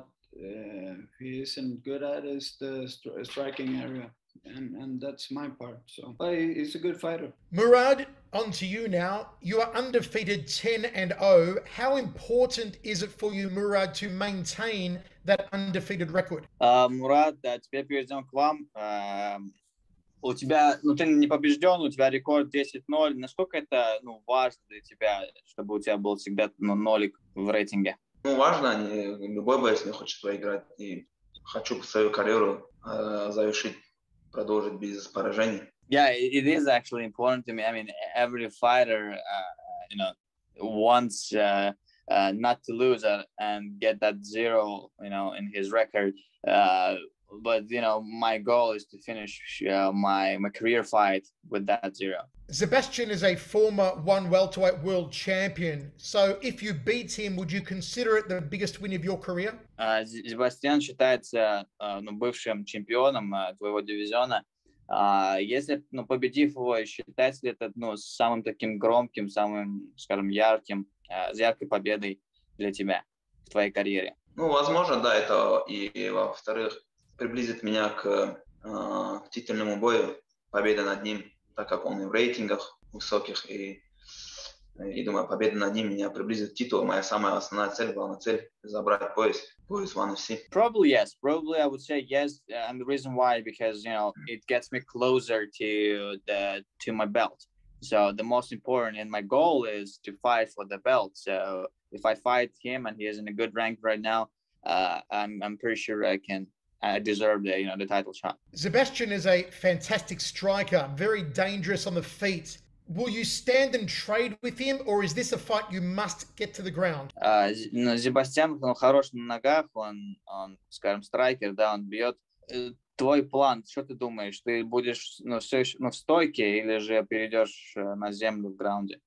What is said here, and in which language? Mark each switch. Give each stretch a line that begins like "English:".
English: What he isn't good at is the striking area, and that's my part. So, but he's a good fighter. Murad, on to you now. You are undefeated 10-0. How important is it for you, Murad, to maintain that undefeated record?
Russian: Murad, да, теперь перейдем к вам. У тебя, ну, ты не побежден, у тебя рекорд 10-0. Насколько это, ну, важно для тебя, чтобы у тебя был всегда, ну, нолик в рейтинге? Ну, важно. Любой боец не хочет выиграть. И хочу свою карьеру завершить, продолжить без поражений.
English: Yeah, it is actually important to me. I mean, every fighter, wants not to lose and get that zero, you know, in his record. But, you know, my goal is to finish my career fight with that zero. Zebaztian is a former one welterweight world champion. So if you beat him, would you consider it the biggest win of your career?
Russian: Zebaztian считается бывшим чемпионом твоего дивизиона. Если, ну, победив его, считается ли это, ну, самым таким громким, самым, скажем, ярким, яркой победой для тебя в твоей карьере? Ну, возможно, да, это и во-вторых, приблизит меня к титульному бою, победа над ним, так как он и в рейтингах высоких, и думаю, победа над ним меня приблизит к титулу. Моя самая основная цель, главная цель – забрать пояс ONE FC.
English: Probably yes. Probably I would say yes. And the reason why, because, you know, it gets me closer to my belt. So the most important and my goal is to fight for the belt. So if I fight him and he is in a good rank right now, I'm pretty sure I deserve the title shot. Zebaztian is a fantastic striker, very dangerous on the feet. Will you stand and trade with him, or is this a fight you must get to the ground?
Russian: Zebaztian, он хорош на ногах, он, скажем, страйкер, да, он бьет. Твой план, что ты думаешь, ты будешь, ну, все еще, ну, в стойке или же перейдешь на землю в граунде?